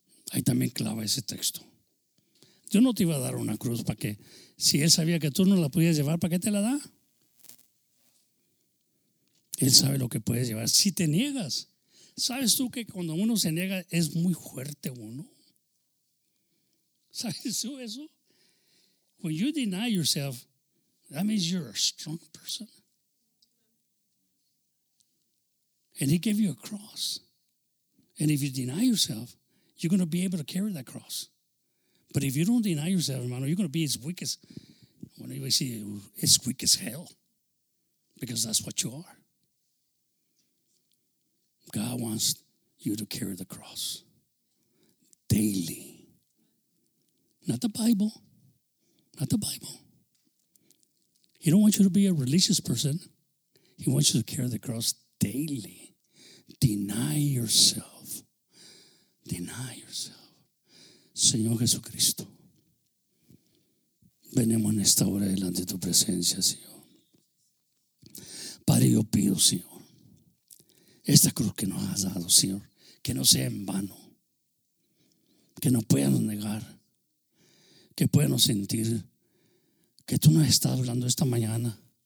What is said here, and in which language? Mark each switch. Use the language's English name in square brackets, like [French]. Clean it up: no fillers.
[Spanish] Ahí también clava ese texto. Dios no te iba a dar una cruz para que, si Él sabía que tú no la podías llevar, ¿para qué te la da? Él sabe lo que puedes llevar. Si te niegas, ¿sabes tú que cuando uno se niega es muy fuerte uno? ¿Sabes tú eso? [English] When you deny yourself, that means you're a strong person. And He gave you a cross. And if you deny yourself, you're going to be able to carry that cross. But if you don't deny yourself, hermano, you're going to be as weak as, when you see as weak as hell. Because that's what you are. God wants you to carry the cross daily. Not the Bible. Not the Bible. He don't want you to be a religious person. He wants you to carry the cross daily. Deny yourself. Deny yourself. [Spanish] Señor Jesucristo, venimos en esta hora delante de tu presencia, Señor. Padre, yo pido, Señor, esta cruz que nos has dado, Señor, que no sea en vano, que no puedan negar, que puedan sentir que tú nos estás hablando esta mañana.